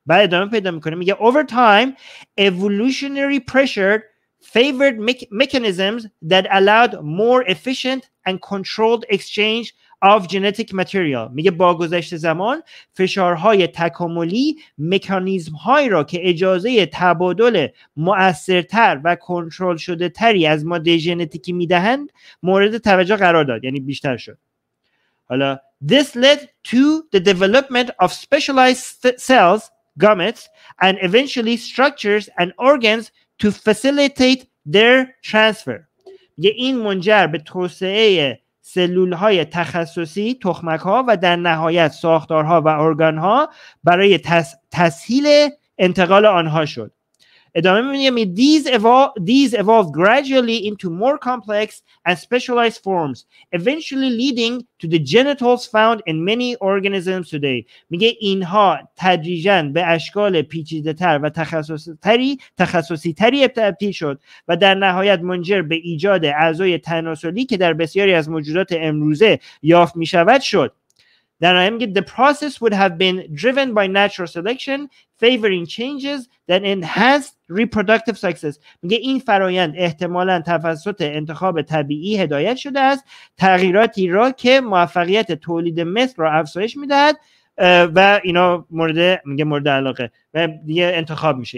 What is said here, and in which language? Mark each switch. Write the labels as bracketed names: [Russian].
[Persian] بعد ادامه پیدا میکنه میگه [English] over time evolutionary pressure favored mechanisms that allowed more efficient and controlled exchange of genetic material. [Persian] میگه با گذشت زمان فشارهای تکاملی مکانیزم های را که اجازه تبادل مؤثرتر و کنترل شده تری از ماده ژنتیکی میدهند مورد توجه قرار داد، یعنی بیشتر شد. [English] حالا this led to the development of specialized cells, gametes and eventually structures and organs to facilitate their transfer. [Persian] میگه این منجر به توسعه سلول‌های تخصصی، تخمک‌ها و در نهایت ساختارها و ارگان‌ها برای تسهیل انتقال آنها شد. ادامه می‌بینیم [English] these evolved gradually into more complex and specialized forms, eventually leading to the genitals found in many organisms today. [Persian] میگه اینها تدریجاً به اشکال پیچیده‌تر و تخصصی‌تری تبدیل شد و در نهایت منجر به ایجاد اعضای تناسلی که در بسیاری از موجودات امروزه یافت می‌شود شد. [English] Then I am get the process would have been driven by natural selection favoring changes that enhanced reproductive success. [Persian] میگه این فرایند احتمالاً توسط انتخاب طبیعی هدایت شده است، تغییراتی را که موفقیت تولید مثل را افزایش میدهد و اینا مورد میگه مورد علاقه و دیگه انتخاب میشه.